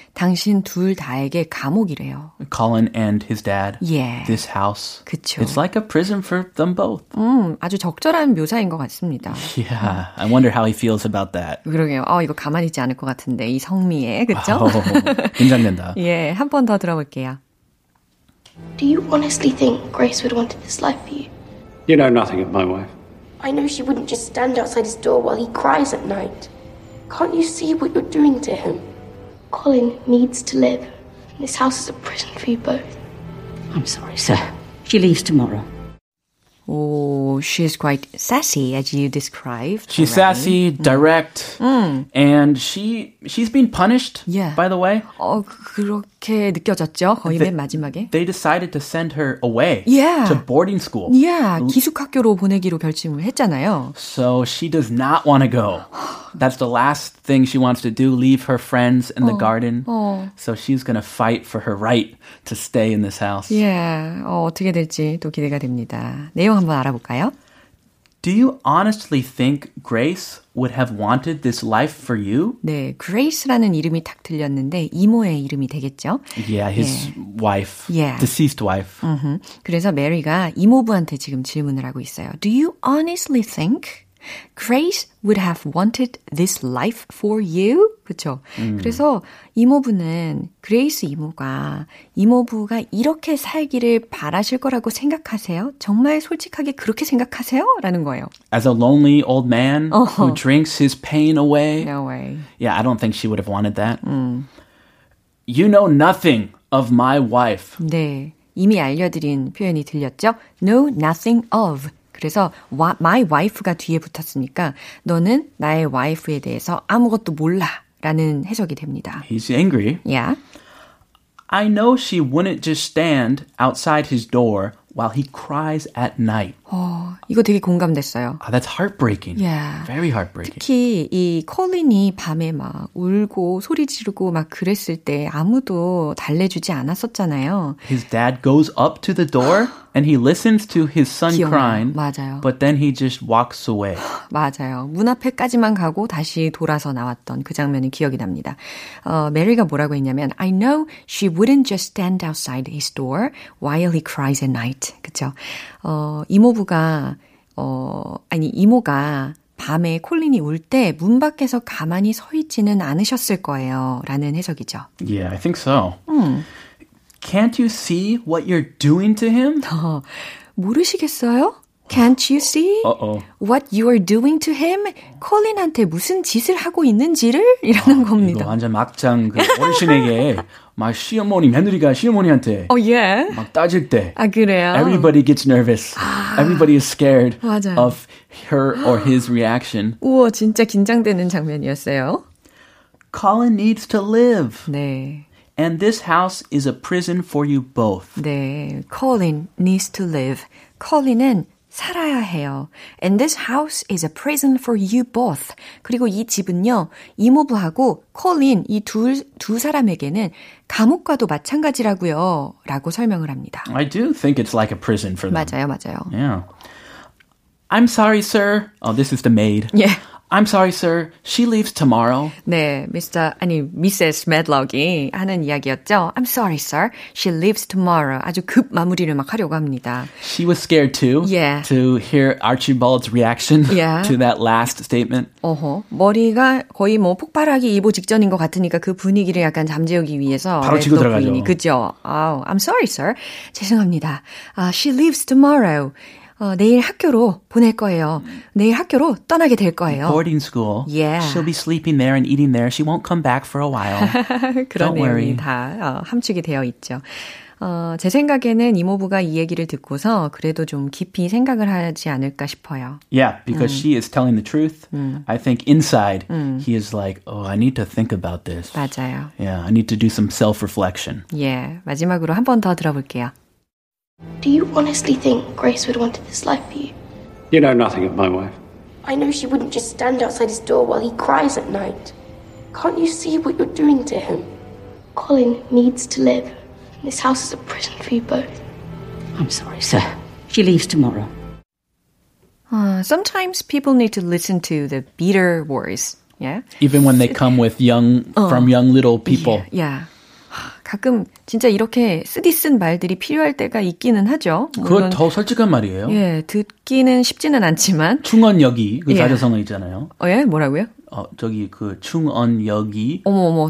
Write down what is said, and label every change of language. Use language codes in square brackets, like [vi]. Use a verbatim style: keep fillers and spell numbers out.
[ko] 당신 둘 다에게 감옥이래요. [en] Colin and his dad. Yeah. This house. [ko] 그쵸. [en] It's like a prison for them both. [ko] 음, 아주 적절한 묘사인 것 같습니다. [en] Yeah. I wonder how he feels about that. [ko] 그러게요. 어, 이거 가만히 있지 않을 것 같은데 이 성미에. 그쵸? 긴장된다. 예, 한 번 더 들어볼게요. [en] Do you honestly think Grace would want this life for you? You know nothing of my wife. I know she wouldn't just stand outside his door while he cries at night. Can't you see what you're doing to him? Colin needs to live. This house is a prison for you both. I'm sorry, sir. She leaves tomorrow. 오, So she's quite sassy, as you described. She's already. sassy, direct, mm. and she, she's been punished, yeah. by the way. [ko] 어, 그렇게 느껴졌죠, 거의 [en] they, [ko] 맨 마지막에. [en] They decided to send her away yeah. to boarding school. [ko] Yeah, 기숙학교로 보내기로 결심을 했잖아요. [en] So she does not want to go. That's the last thing she wants to do, leave her friends in the 어, garden. 어. So she's going to fight for her right to stay in this house. [ko] Yeah, 어, 어떻게 될지 또 기대가 됩니다. 내용 한번 알아볼까요? [en] Do you honestly think Grace would have wanted this life for you? [ko] 네, Grace라는 이름이 딱 들렸는데 이모의 이름이 되겠죠? [en] Yeah, his [ko] 예. [en] wife, Yeah. deceased wife. 음흠. [ko] 그래서 메리가 이모부한테 지금 질문을 하고 있어요. Do you honestly think Grace would have wanted this life for you? 그렇죠? 음. 그래서 이모부는 그레이스 이모가 이모부가 이렇게 살기를 바라실 거라고 생각하세요? 정말 솔직하게 그렇게 생각하세요? 라는 거예요. [en] As a lonely old man 어허. who drinks his pain away. No way. Yeah, I don't think she would have wanted that. 음. You know nothing of my wife. [ko] 네, 이미 알려드린 표현이 들렸죠? [en] Know nothing of. [ko] 그래서 [en] my wife [ko] 가 뒤에 붙었으니까 너는 나의 와이프에 대해서 아무것도 몰라 라는 해석이 됩니다. [en] He's angry. Yeah. I know she wouldn't just stand outside his door while he cries at night. [ko] 어, 이거 되게 공감됐어요. [en] Oh, that's heartbreaking. Yeah. Very heartbreaking. [ko] 특히 이 콜린이 밤에 막 울고 소리 지르고 막 그랬을 때 아무도 달래주지 않았었잖아요. [en] His dad goes up to the door and he listens to his son crying. [ko] 맞아요. [en] But then he just walks away. [ko] 맞아요. 문 앞에까지만 가고 다시 돌아서 나왔던 그 장면이 기억이 납니다. 어, 메리가 뭐라고 했냐면 [en] I know she wouldn't just stand outside his door while he cries at night. [ko] 그렇죠? 어, 이모부가 어, 아니 이모가 밤에 콜린이 울 때 문 밖에서 가만히 서 있지는 않으셨을 거예요. 라는 해석이죠. [en] Yeah, I think so. 음. Can't you see what you're doing to him? [ko] 어, 모르시겠어요? [en] Can't you see Uh-oh. what you are doing to him? [ko] 콜린한테 무슨 짓을 하고 있는지를? 이라는 아, 겁니다. 이거 완전 막장 그 어르신에게 막 시어머니, 며느리가 시어머니한테 [en] Oh, yeah. [ko] 막 따질 때 아, 그래요? [en] Everybody gets nervous. Everybody is scared [ko] 맞아요. [en] of her or his reaction. [ko] 우와, 진짜 긴장되는 장면이었어요. [en] Colin needs to live. [ko] 네. [en] And this house is a prison for you both. 네, Colin needs to live. [ko] Colin은 살아야 해요. [en] And this house is a prison for you both. [ko] 그리고 이 집은요, 이모부하고 콜린 이 둘, 두 사람에게는 감옥과도 마찬가지라고요. 라고 설명을 합니다. [en] I do think it's like a prison for them. [ko] 맞아요, 맞아요. [en] Yeah. I'm sorry, sir. Oh, this is the maid. [ko] 예. [en] I'm sorry, sir. She leaves tomorrow. [ko] 네, 미스터 아니 미세스 Medlock이 하는 이야기였죠. [en] I'm sorry, sir. She leaves tomorrow. [ko] 아주 급 마무리를 막 하려고 합니다. [en] She was scared too Yeah. to hear Archibald's reaction Yeah. to that last statement. [ko] 어허, 머리가 거의 뭐 폭발하기 일보 직전인 것 같으니까 그 분위기를 약간 잠재우기 위해서 바로 치고 들어가죠. 부인이, 그죠? 아우, [en] I'm sorry, sir. [ko] 죄송합니다. 아, [en] she leaves tomorrow. [ko] 어, 내일 학교로 보낼 거예요. 내일 학교로 떠나게 될 거예요. [en] Boarding school. Yeah. She'll be sleeping there and eating there. She won't come back for a while. [ko] 그런 [en] Don't worry. [ko] 내용이 다 어, 함축이 되어 있죠. 어, 제 생각에는 이모부가 이 얘기를 듣고서 그래도 좀 깊이 생각을 하지 않을까 싶어요. [en] Yeah, because she is telling the truth. I think inside, he is like, oh, I need to think about this. [ko] 맞아요. [en] Yeah, I need to do some self-reflection. [ko] 예, 마지막으로 한 번 더 들어볼게요. [en] Do you honestly think Grace would have wanted this life for you? You know nothing of my wife. I know she wouldn't just stand outside his door while he cries at night. Can't you see what you're doing to him? Colin needs to live. And this house is a prison for you both. I'm sorry, sir. She leaves tomorrow. Uh, sometimes people need to listen to the bitter words. Yeah? Even when they come with young, 어. from young little people. Yeah. yeah. [ko] 가끔 진짜 이렇게 쓰디 쓴 말들이 필요할 때가 있기는 하죠. 그거 물론 더 솔직한 말이에요. 예, 듣기는 쉽지는 않지만 충언역이, 그 예. 사자성어 있잖아요. 어, 예, 뭐라고요? 어, 저기 그 충언역이 어머, 어머.